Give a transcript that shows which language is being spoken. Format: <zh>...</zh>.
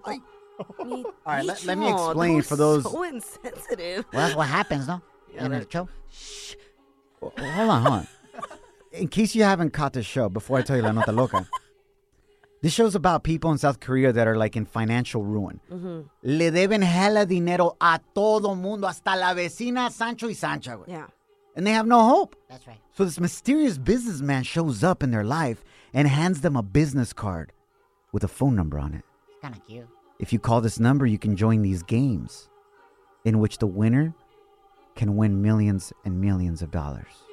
<en>All right, let me explain for those. So insensitive. Well, that's what happens, no? Yeah, in the show. Well, hold on. In case you haven't caught the show, before I tell you La Nota Loca. This show's about people in South Korea that are, like, in financial ruin. Mm-hmm.</en> <es>Le deben hella dinero a todo mundo, hasta la vecina Sancho y Sancha.</es> <en>Yeah. And they have no hope. That's right. So this mysterious businessman shows up in their life and hands them a business card with a phone number on it. Kind of cute. If you call this number, you can join these games in which the winner can win millions and millions of dollars.</en>